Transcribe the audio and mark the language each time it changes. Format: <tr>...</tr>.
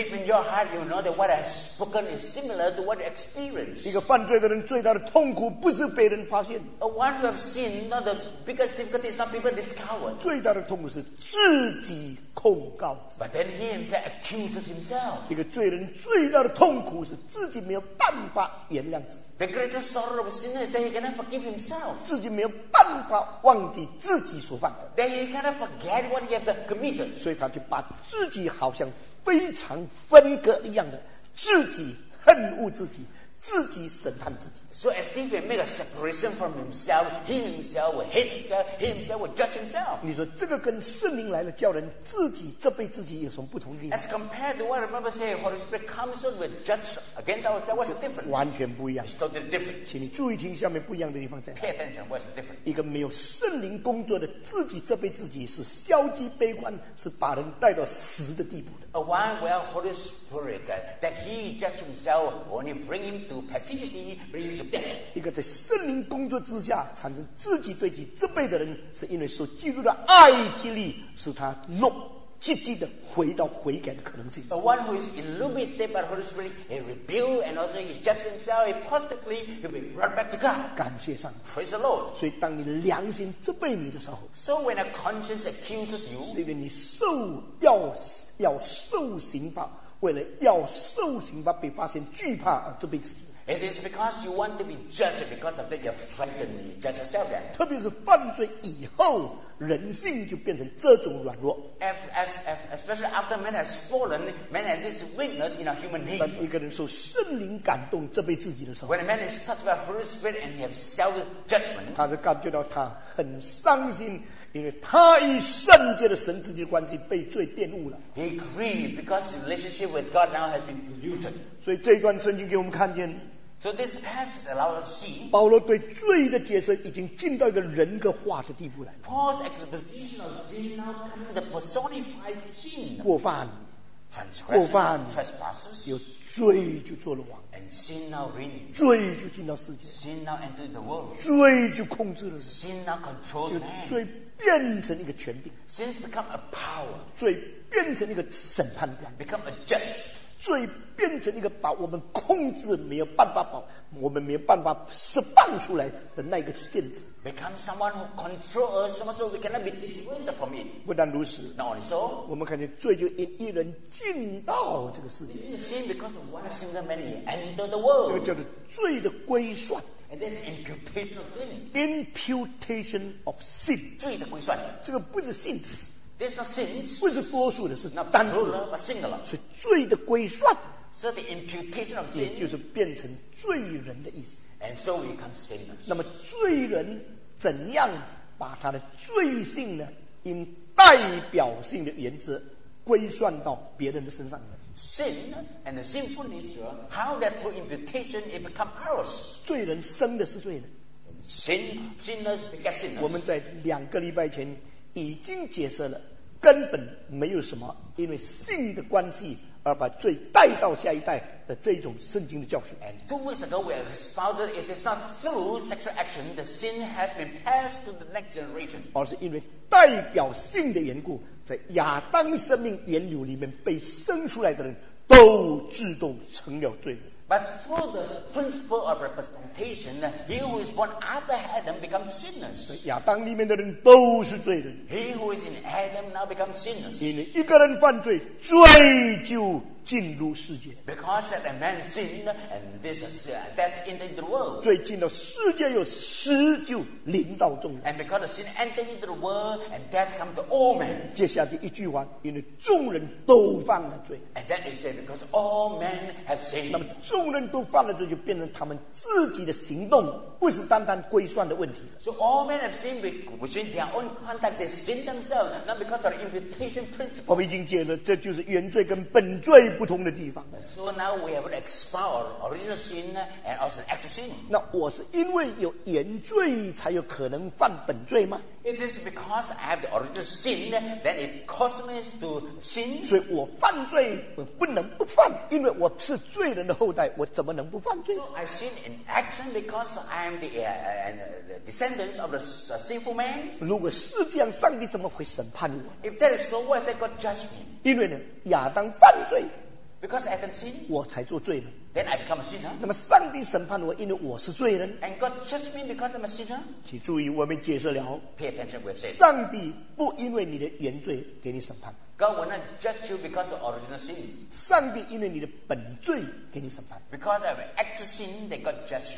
<en>Deep in your heart you know that what I've spoken is similar to what you experienced.</en> <zh>一个犯罪的人最大的痛苦不是被人发现。</zh> <en>A one who have sinned, not the biggest difficulty is not people discovered.</en> <zh>最大的痛苦是自己控告。</zh> <en>But then he himself accuses himself.</en> <zh>一个罪人最大的痛苦是自己没有办法原谅自己。</zh> <en>The greatest sorrow of a sinner is that he cannot forgive himself.</en> <zh>自己没有办法忘记自己所犯的。</zh> <en>That he cannot forget what he has committed.</en> <zh>所以他就把自己好像非常分割一样的，自己恨恶自己，自己审判自己。</zh> <en>So as if he made a separation from himself, he himself will hate himself, he himself will judge himself.</en> <zh>你说这个跟圣灵来了叫人自己责备自己有什么不同的地方</zh> <en>？As compared to what remember say, Holy Spirit comes and will judge against ourselves, what's the difference?</en> <zh>完全不一样。</zh> <en>It's totally different.</en> <zh>请你注意听下面不一样的地方在哪</zh> <en>？Pay attention, what's the difference?</en> <zh>一个没有圣灵工作的自己责备自己是消极悲观，是把人带到死的地步的。</zh> <en>A one where Holy Spirit that he judges himself only bring him to passivity, bring him to death.</en> <zh>一个在圣灵工作之下产生自己对己责备的人，是因为受基督的爱激励，使他怒积极的回到悔改的可能性。</zh> <en>A one who is illuminated by Holy Spirit, he rebuild and also he judges himself he positively, he will be brought back to God.</en> <zh>感谢上帝。</zh> <en>Praise the Lord.</en> <zh>所以当你良心责备你的时候</zh> <en>，So when a conscience accuses you，</en> <zh>是因为你受要受刑罚，为了要受刑罚被发现惧怕而责备自己。</zh> <en>It is because you want to be judged because of that you have frightened me. Judge yourself then.</en> <zh>特别是犯罪以后，人性就变成这种软弱。</zh> <en>Especially after man has fallen, man has this weakness in our human nature.</en> <zh>当一个人受圣灵感动责备自己的时候</zh> <en>，When a man is touched by Holy Spirit and he has self-judgment,</en> <zh>他就感觉到他很伤心，因为他与圣洁的神之间的关系被罪玷污了。</zh> <en>He grieved because his relationship with God now has been polluted.</en> <zh>所以这一段圣经给我们看见。</zh> <en>So this passage allows us to see.</en> <zh>保罗对罪的解释已经进到一个人格化的地步来了。</zh> <en>Paul's exposition of sin now comes to the personified sin.</en> <zh>过犯。</zh> <en>Transgressions.</en> <zh>过犯。</zh> <en>Trespasses.</en> <zh>有罪就做了王。</zh> <en>And sin now reigns.</en> <zh>罪就进到世界。</zh> <en>Sin now entered the world.</en> <zh>罪就控制了人。</zh> <en>Sin now controls man.</en> <zh>罪变成一个权柄。</zh> <en>Sin become a power.</en> <zh>罪变成一个审判官。</zh> <en>Become a judge.</en> <zh>罪变成一个把我们控制没有办法把我们没有办法释放出来的那个限制。</zh> <en>Become someone who controls us, so we cannot be delivered from it.</en> <zh>不但如此</zh> <en>，Not only so，</en> <zh>我们看见罪就因一人进到这个世界。</zh> <en>Sin because of one single man enter the world.</en> <zh>这个叫做罪的归算。</zh> <en>And that's imputation of sin. Imputation of sin.</en> <zh>罪的归算。这个不是 sin。</zh> <en>This is not sins.</en> <zh>不是多数的，是单数的，不 singular。是罪的归算。</zh> <en>So the imputation of sin.</en> <zh>也就是变成罪人的意思。</zh> <en>And so we become sinners.</en> <zh>那么罪人怎样把他的罪性呢？因代表性的原则归算到别人的身上呢？</zh> <en>Sin and the sinful nature, how that through imputation it become ours?</en> <zh>罪人生的是罪人。</zh> <en>Sinners become sinners.</en> <zh>我们在两个礼拜前已经解释了，根本没有什么因为性的关系而把罪带到下一代的这种圣经的教训。</zh> <en>And 2 weeks ago we expounded it is not through sexual action the sin has been passed to the next generation.</en> <zh>而是因为代表性的缘故，在亚当生命源流里面被生出来的人都自动成了罪人。</zh> <en>But through the principle of representation, he who is born after Adam becomes sinners.</en> <zh>亚当里面的人都是罪人。</zh> <en>He who is in Adam now becomes sinners.</en> <zh>因为一个人犯罪，罪就进入世界。</zh> <en>Because that a man sinned, and this is that entered the world.</en> <zh>罪进到世界，有死就临到众人。</zh> <en>And because sin entered into the world, and death come to all men.</en> <zh>接下去一句话，因为众人都犯了罪。</zh> <en>And that is it, because all men have sinned.</en> <zh>那么众人都犯了罪，就变成他们自己的行动，不是单单归算的问题。</zh> <en>So all men have sinned within their own conduct, they sin themselves, not because of the imputation principle.</en> <zh>我们已经解释，这就是原罪跟本罪不同的地方。</zh> <en>So now we have explored original sin and also actual sin.</en> <zh>那我是因为有原罪才有可能犯本罪吗？</zh> <en>It is because I have the original sin that it causes me to sin.</en> <zh>所以我犯罪，我不能不犯，因为我是罪人的后代，我怎么能不犯罪？</zh> <en>So I sin in action because I am the descendants of the sinful man.</en> <zh>如果是这样，上帝怎么会审判我？</zh> <en>If that is so, why is that God judge me?</en> <zh>因为呢，亚当犯罪。</zh> <en>Because Adam sinned,</en> <zh>我才做罪人。</zh> <en>Then I become a sinner.</en> <zh>那么上帝审判我，因为我是罪人。</zh> <en>And God judged me because I'm a sinner.</en> <zh>请注意，我们解释了。</zh> <en>Pay attention, we've said.</en> <zh>上帝不因为你的原罪给你审判。</zh> <en>God will not judge you because of original sin.</en> <zh>上帝因为你的本罪给你审判。</zh> <en>Because of actual sin, they got judged.</en>